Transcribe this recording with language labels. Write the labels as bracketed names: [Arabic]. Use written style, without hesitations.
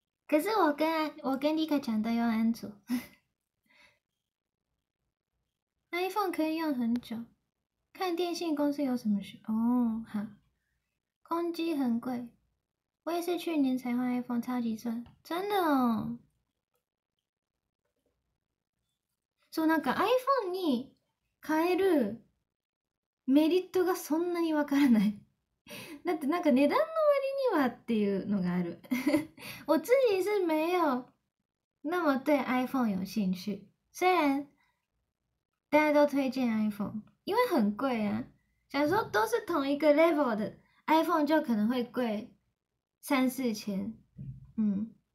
[Chinese] 可是我跟 Lika 讲的用安卓 ，iPhone 可以用很久。看电信公司有什么事哦，好，空机很贵，我也是去年才换 iPhone，超级赚，真的哦。 [Japanese] そう、なんか iPhone に変えるメリットがそんなにわからない。だってなんか値段の割にはっていうのがある。 [Chinese] 我自己是没有那么对 iPhone 有兴趣，虽然大家都推荐 iPhone，因为很贵啊。想说都是同一个 level 的 iPhone 就可能会贵三四千，嗯。